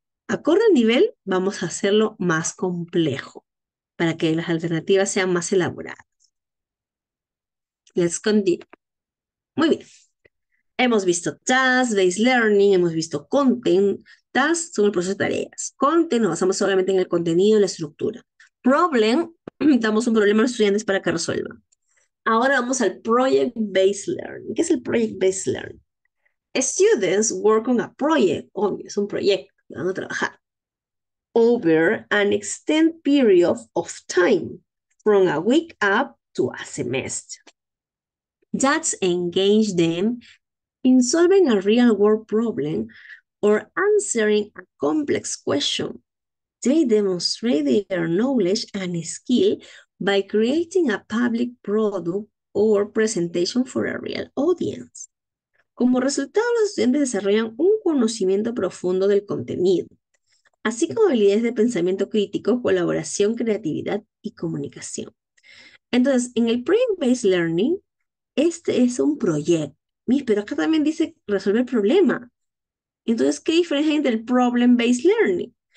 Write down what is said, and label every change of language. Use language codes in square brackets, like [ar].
[es] Acorde al nivel, vamos a hacerlo más complejo para que las alternativas sean más elaboradas. [en] Let's continue. [es] Muy bien. Hemos visto task-based learning, hemos visto content. Tasks son el proceso de tareas. Content, nos basamos solamente en el contenido y la estructura. Problem, damos un problema a los estudiantes para que resuelvan. Ahora vamos al project-based learning. ¿Qué es el project-based learning? [en] Students work on a project. [es] Obvio, es un proyecto. Van a trabajar [en] over an extended period of time, from a week up to a semester. That engage them in solving a real world problem or answering a complex question. They demonstrate their knowledge and skill by creating a public product or presentation for a real audience. [es] Como resultado, los estudiantes desarrollan un conocimiento profundo del contenido, así como habilidades de pensamiento crítico, colaboración, creatividad y comunicación. Entonces, en el Problem-Based Learning, este es un proyecto. Mis, pero acá también dice resolver el problema. Entonces, ¿qué diferencia hay entre el Problem-Based Learning?